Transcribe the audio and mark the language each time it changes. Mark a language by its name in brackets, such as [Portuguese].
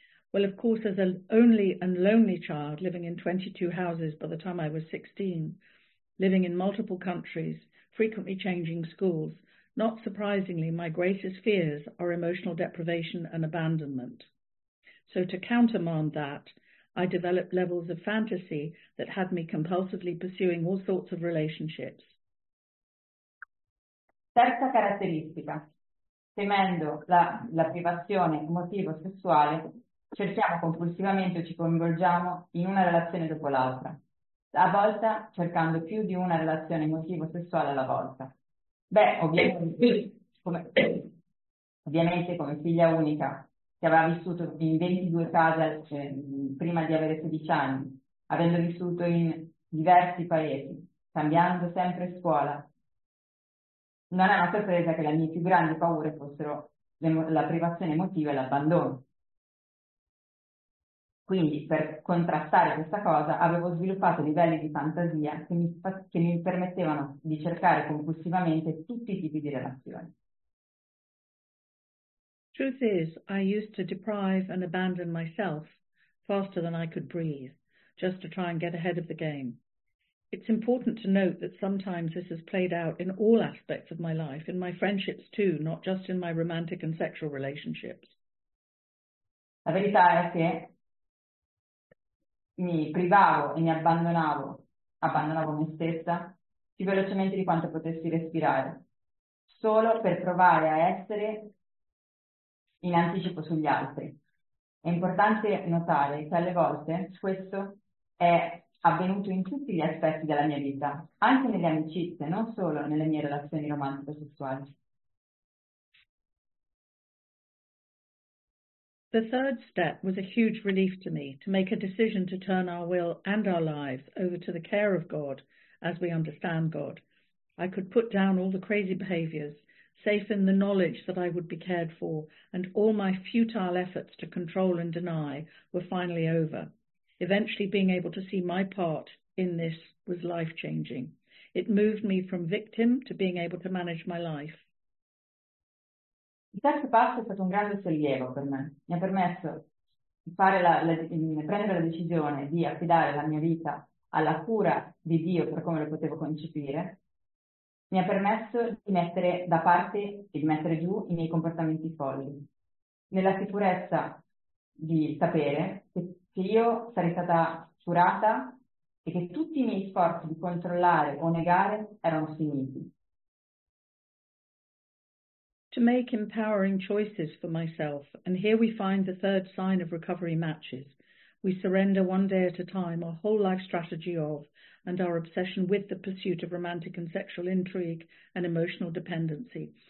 [English] Well, of course, as an only and lonely child living in 22 houses by the time I was 16, living in multiple countries, frequently changing schools, not surprisingly, my greatest fears are emotional deprivation and abandonment. So to countermand that, I developed levels of fantasy that had me compulsively pursuing all sorts of relationships. [Italian] Terza caratteristica. Temendo la privazione emotivo sessuale, cerchiamo compulsivamente o ci coinvolgiamo in una relazione dopo l'altra. A volte cercando più di una relazione emotivo sessuale alla volta. Beh, ovviamente come figlia unica che aveva vissuto in 22 case, cioè, prima di avere 16 anni, avendo vissuto in diversi paesi, cambiando sempre scuola. Non è una sorpresa che le mie più grandi paure fossero la privazione emotiva e l'abbandono. Quindi, per contrastare questa cosa, avevo sviluppato livelli di fantasia che mi permettevano di cercare compulsivamente tutti i tipi di relazioni. [English] Truth is, I used to deprive and abandon myself faster than I could breathe, just to try and get ahead of the game. It's important to note that sometimes this has played out in all aspects of my life, in my friendships too, not just in my romantic and sexual relationships. [Italian] La verità è che mi privavo e mi abbandonavo me stessa più velocemente di quanto potessi respirare, solo per provare a essere in anticipo sugli altri. È importante notare che alle volte questo è avvenuto in tutti gli aspetti della mia vita, anche nelle amicizie, non solo nelle mie relazioni romantiche sessuali. [English] The third step was a huge relief to me, to make a decision to turn our will and our lives over to the care of God as we understand God. I could put down all the crazy behaviors, safe in the knowledge that I would be cared for, and all my futile efforts to control and deny were finally over. Eventually being able to see my part in this was life-changing. It moved me from victim to being able to manage my life. [Italian] Il terzo passo è stato un grande sollievo per me. Mi ha permesso di prendere la decisione di affidare la mia vita alla cura di Dio per come lo potevo concepire. Mi ha permesso di mettere da parte e di mettere giù i miei comportamenti folli, nella sicurezza di sapere che io sarei stata curata e che tutti i miei sforzi di controllare o negare erano finiti. [English] To make empowering choices for myself, and here we find the third sign of recovery matches, We surrender one day at a time our whole life strategy of and our obsession with the pursuit of romantic and sexual intrigue and emotional dependency.